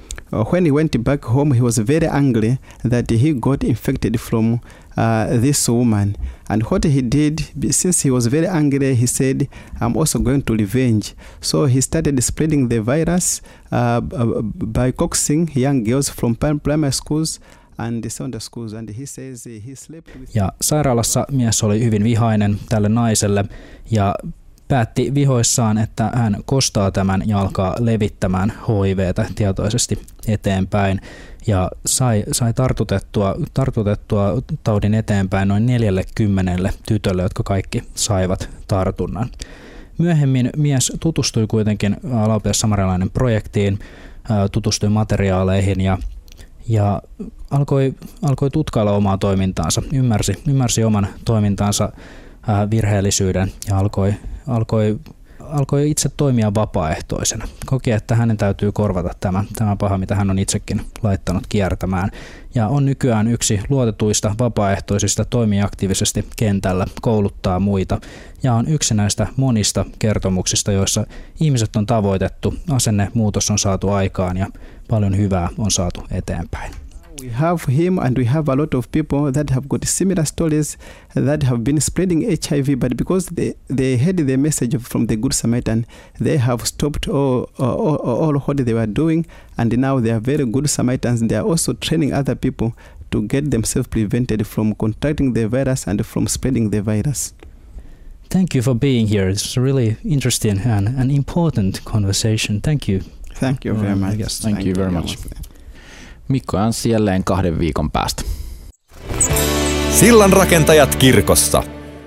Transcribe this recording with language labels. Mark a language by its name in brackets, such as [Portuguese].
[English] When he went back home, he was very angry that he got infected from this woman. And what he did, since he was very angry, he said, I'm also going to revenge. So he started spreading the virus by coaxing young girls from primary schools and secondary schools. And he says he slept with... [Finnish] Ja sairaalassa mies oli hyvin vihainen tälle naiselle ja päätti vihoissaan, että hän kostaa tämän ja alkaa levittämään HIV:tä tietoisesti eteenpäin, ja sai tartutettua taudin eteenpäin noin 40 tytölle, jotka kaikki saivat tartunnan. Myöhemmin mies tutustui kuitenkin Laupias Samarialainen -projektiin, tutustui materiaaleihin ja alkoi tutkailla omaa toimintaansa, ymmärsi oman toimintaansa virheellisyyden ja alkoi alkoi itse toimia vapaaehtoisena. Koki, että hänen täytyy korvata tämä paha, mitä hän on itsekin laittanut kiertämään. Ja on nykyään yksi luotetuista vapaaehtoisista, toimii aktiivisesti kentällä, kouluttaa muita. Ja on yksi näistä monista kertomuksista, joissa ihmiset on tavoitettu, asenne muutos on saatu aikaan ja paljon hyvää on saatu eteenpäin. [English] We have him and we have a lot of people that have got similar stories that have been spreading HIV, but because they heard the message from the Good Samaritan, they have stopped all what they were doing, and now they are very good Samaritans. They are also training other people to get themselves prevented from contracting the virus and from spreading the virus. Thank you for being here. It's a really interesting and an important conversation. Thank you. Thank you very much. Yes, thank you very much. [Finnish] Mikko Anssi jälleen kahden viikon päästä. Sillanrakentajat kirkossa.